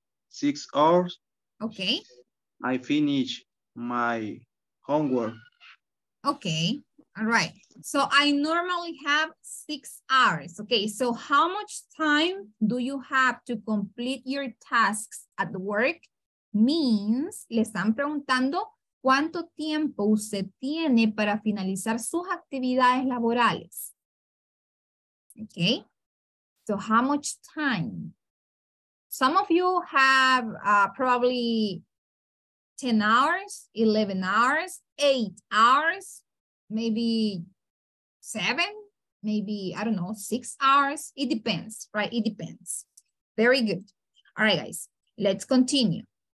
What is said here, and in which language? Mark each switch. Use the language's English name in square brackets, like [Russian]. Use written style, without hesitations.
[English] 6 hours. Okay. I finish my homework. Okay, all right. So I normally have 6 hours. Okay, so how much time do you have to complete your tasks at work? Means, [Spanish] le están preguntando cuánto tiempo usted tiene para finalizar sus actividades laborales. [English] Okay, so how much time? Some of you have probably 10 hours, 11 hours, 8 hours, maybe 7, maybe, I don't know, 6 hours. It depends, right? It depends. Very good. All right, guys, let's continue.